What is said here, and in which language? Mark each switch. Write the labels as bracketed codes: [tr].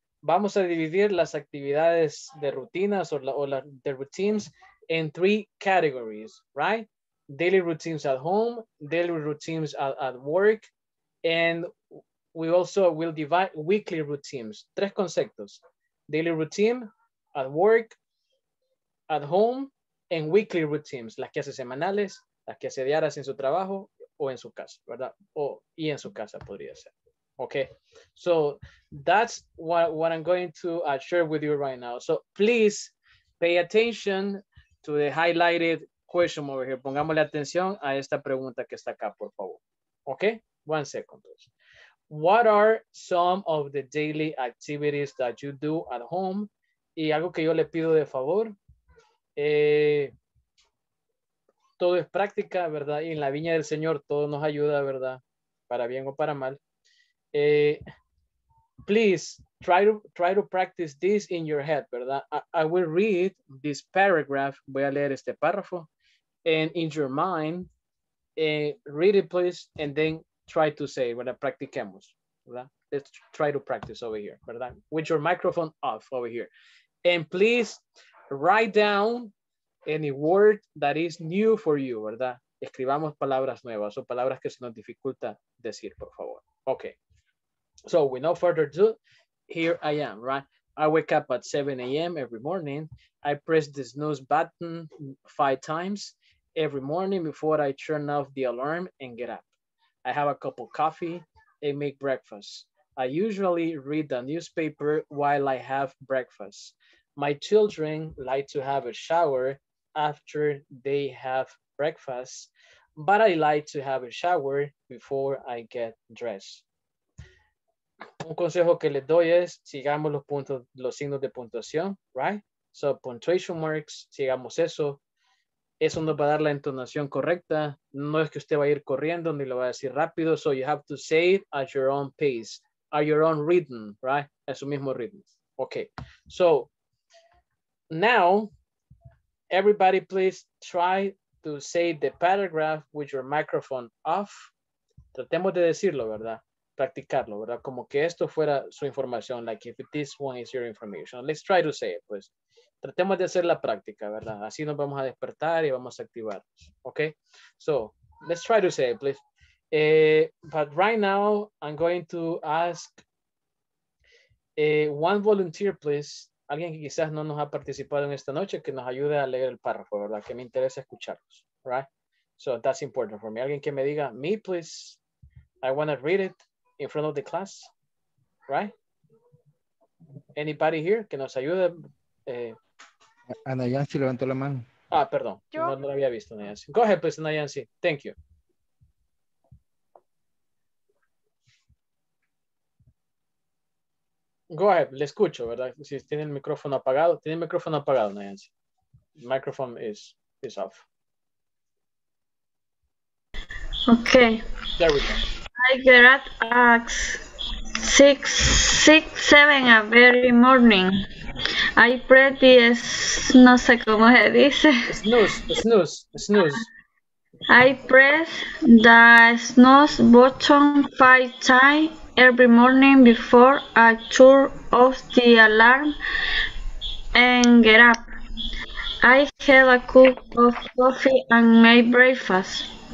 [es] Vamos a dividir las actividades de rutinas o [en] the routines in 3 categories, right? Daily routines at home, daily routines at work, and we also will divide weekly routines. [es] 3 conceptos. [en] Daily routine, at work, at home, and weekly routines. [es] Las que hace semanales, las que hace diarias en su trabajo o en su casa, ¿verdad? Y en su casa podría ser. [en] Okay, so that's what I'm going to share with you right now. So please pay attention to the highlighted question over here. [es] Pongámosle atención a esta pregunta que está acá, por favor. [en] Okay, 1 second, please. What are some of the daily activities that you do at home? [es] Y algo que yo le pido de favor. Todo es práctica, ¿verdad? Y en la viña del Señor todo nos ayuda, ¿verdad? Para bien o para mal. [en] Please try to practice this in your head, ¿verdad? I will read this paragraph. [es] Voy a leer este párrafo. [en] And in your mind, read it, please, and then try to say, ¿verdad? [es] Practiquemos, [en] ¿verdad? Let's try to practice over here, ¿verdad? With your microphone off over here. And please write down any word that is new for you, ¿verdad? [es] Escribamos palabras nuevas o palabras que se nos dificulta decir, por favor. [en] Okay. So with no further ado, here I am, right? I wake up at 7 a.m. every morning. I press the snooze button 5 times every morning before I turn off the alarm and get up. I have a cup of coffee and make breakfast. I usually read the newspaper while I have breakfast. My children like to have a shower after they have breakfast, but I like to have a shower before I get dressed. [es] Un consejo que les doy es, sigamos los puntos, los signos de puntuación, right? So, punctuation marks, sigamos eso. Eso nos va a dar la entonación correcta. No es que usted va a ir corriendo, ni lo va a decir rápido. [en] So, you have to say it at your own pace, at your own rhythm, right? [es] A su mismo ritmo. [en] Okay. So, now, everybody please try to say the paragraph with your microphone off. [es] Tratemos de decirlo, ¿verdad? Practicarlo, ¿verdad? Como que esto fuera su información, [en] like if this one is your information. Let's try to say it, pues. [es] Tratemos de hacer la práctica, ¿verdad? Así nos vamos a despertar y vamos a activar. [en] Okay? So, let's try to say it, please. But right now, I'm going to ask one volunteer, please. [es] Alguien que quizás no nos ha participado en esta noche, que nos ayude a leer el párrafo, ¿verdad? Que me interesa escucharlos, [en] right? So, that's important for me. [es] Alguien que me diga, [en] me, please. I want to read it in front of the class, right? Anybody here [es] que nos ayude? Ana Yancy levantó la mano. Ah, perdón. Yo. No la había visto, Ana Yancy. [en] Go ahead, please, [es] Ana Yancy. [en] Thank you. Go ahead, [es] le escucho, ¿verdad? Si tiene el micrófono apagado, Ana Yancy. [en] Microphone is is off. Okay. There we go. I get up at 6, 7 every morning. I pretty [es] es, no sé cómo se dice. [en] Snooze. I press the snooze button 5 times every morning before I turn off the alarm and get up. I have a cup of coffee and make breakfast.